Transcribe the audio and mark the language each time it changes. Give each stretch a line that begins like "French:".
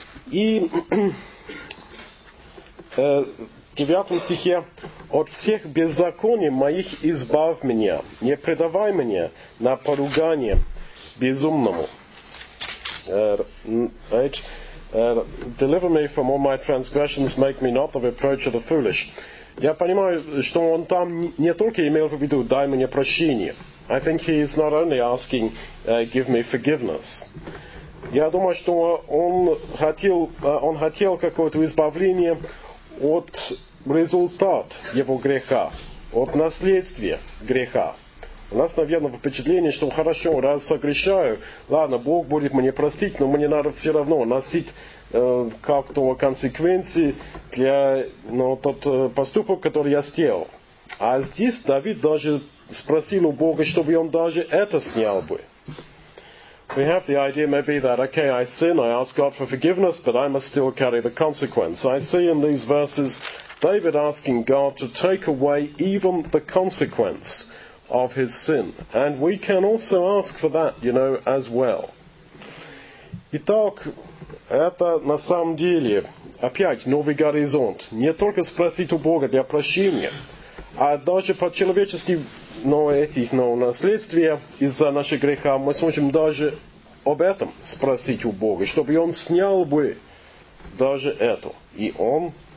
Russian: И в 9 стихе «От всех беззаконий моих избавь меня, не предавай меня на поругание безумному».
English: «Deliver me from all my transgressions, make me not the reproach of the foolish».
Russian: Я понимаю, что он там не только имел в виду «дай мне прощение».
English: I think he is not only asking «give me forgiveness».
Russian: Я думаю, что он хотел какое-то избавление от... результат его греха, от наследствия греха. У нас, наверное, впечатление, что хорошо, раз согрешаю, ладно, Бог будет мне простить, но мне надо все равно носить как-то консеквенции для тот поступок, который я сделал. А здесь Давид даже спросил у Бога, чтобы он даже это снял бы.
English: We have the idea maybe that, okay, I sin, I ask God for forgiveness, but I must still carry the consequence. I see in these verses... David asking God to take away even the consequence of his sin. And we can also ask for that, you know, as well.
Russian: Итак, это на самом деле опять новый горизонт. Не только спросить у Бога для прощения, а даже по-человечески, но этих, но наследствия из-за нашего греха, мы сможем даже об этом спросить у Бога, чтобы он снял бы даже это. И он...